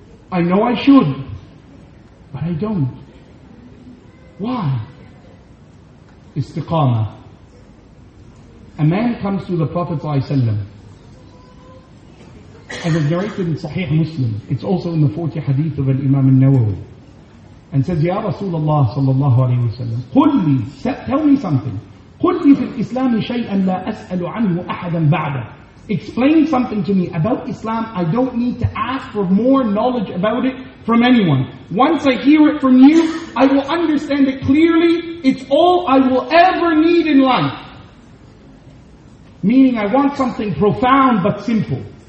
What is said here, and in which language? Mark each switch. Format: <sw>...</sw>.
<en>I know I should, but I don't. Why? Istiqamah. A man comes to the Prophet ﷺ, as is narrated in Sahih Muslim, it's also in the 40 hadith of Imam al-Nawawi, and says, Ya Rasulullah sallallahu alayhi wa sallam, قُلِّي, tell me something.</en> <ar>قُلِّي فِي الْإِسْلَامِ شَيْئًا لَا أَسْأَلُ عَنْهُ أَحَدًا بَعْدًا.</ar> <en>Explain something to me about Islam. I don't need to ask for more knowledge about it from anyone. Once I hear it from you, I will understand it clearly. It's all I will ever need in life. Meaning I want something profound but simple.</en>